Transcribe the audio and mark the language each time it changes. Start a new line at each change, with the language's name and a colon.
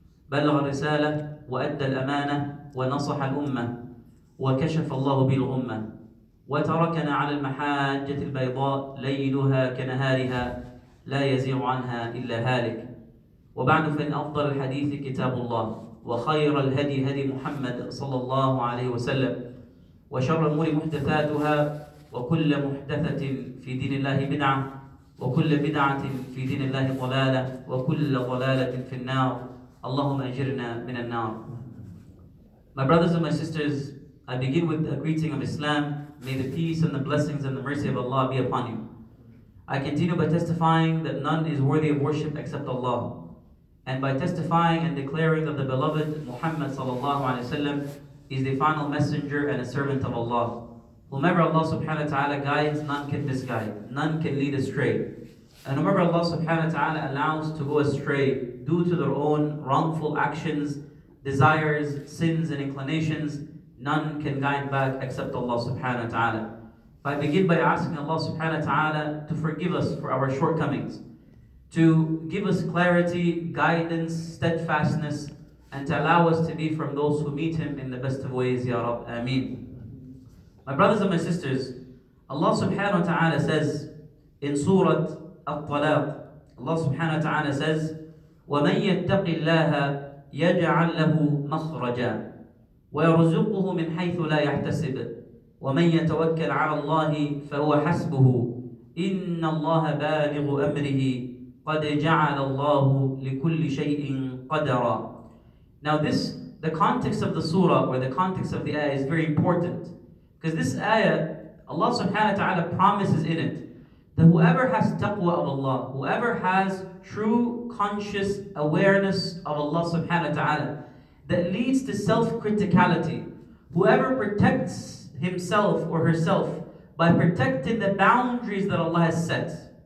Arabic: بلغ الرسالة وأدى الأمانة ونصح الأمة وكشف الله به الغمة وتركنا على المحاجة البيضاء ليلها كنهارها لا يزيغ عنها إلا هالك وبعد فإن أفضل الحديث كتاب الله وخير الهدي هدي محمد صلى الله عليه وسلم وشر الأمور محدثاتها وكل محدثة في دين الله بدعة وكل بدعة في دين الله ضلالة وكل ضلالة في النار اللهم أجرنا من النار.
English: My brothers and my sisters, I begin with a greeting of Islam. May the peace and the blessings and the mercy of Allah be upon you. I continue by testifying that none is worthy of worship except Allah, and by testifying and declaring of the beloved Muhammad sallallahu alaihi wasallam is the final messenger and a servant of Allah. Whomever Allah subhanahu wa ta'ala guides, none can misguide, none can lead astray. And whomever Allah subhanahu wa ta'ala allows to go astray due to their own wrongful actions, desires, sins and inclinations, none can guide back except Allah subhanahu wa ta'ala. I begin by asking Allah subhanahu wa ta'ala to forgive us for our shortcomings, to give us clarity, guidance, steadfastness, and to allow us to be from those who meet Him in the best of ways, Ya Rab, Ameen. My brothers and my sisters, Allah subhanahu wa ta'ala says
Arabic: in Surah At-Talaq, Allah subhanahu wa ta'ala says, وَمَنْ يَتَّقِ اللَّهَ يَجْعَلْ لَهُ مَخْرَجًا وَيَرْزُقُهُ مِنْ حَيْثُ لَا يَحْتَسِبُ وَمَنْ يَتَوَكَّلْ عَلَى اللَّهِ فَهُوَ حَسْبُهُ إِنَّ اللَّهَ بَالِغُ أَمْرِهِ قَدْ جَعَلَ اللَّهُ لِكُلِّ شَيْءٍ قَدَرًا.
English: Now this, the context of the surah, or the context of the ayah, is very important, because this ayah, Allah subhanahu wa ta'ala promises in it that whoever has taqwa of Allah, whoever has true conscious awareness of Allah subhanahu wa ta'ala that leads to self-criticality, whoever protects himself or herself by protecting the boundaries that Allah has set.